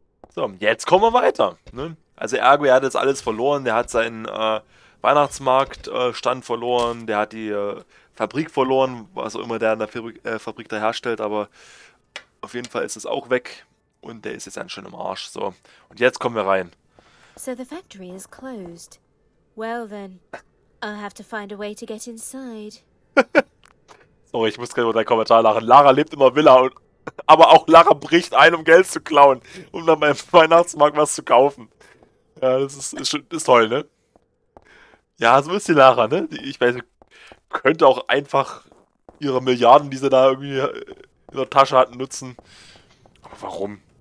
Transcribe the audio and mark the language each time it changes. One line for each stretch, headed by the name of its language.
German: So, jetzt kommen wir weiter. Ne? Also ergo, er hat jetzt alles verloren. Der hat seinen Weihnachtsmarktstand verloren. Der hat die Fabrik verloren, was auch immer der in der Fabrik da herstellt. Aber Auf jeden Fall ist es auch weg und der ist jetzt ein schöner Arsch. So, und jetzt kommen wir rein.
English: So the factory is closed. Well then, I'll have to find a way to get inside.
German: Sorry, ich muss gerade über deinen Kommentar lachen. Lara lebt in der Villa und aber auch Lara bricht ein, um Geld zu klauen, um dann beim Weihnachtsmarkt was zu kaufen. Ja, das ist toll, ne? Ja, so ist die Lara, ne? Ich weiß, könnte auch einfach ihre Milliarden, die sie da irgendwie in der Tasche hatten, nutzen. Aber warum?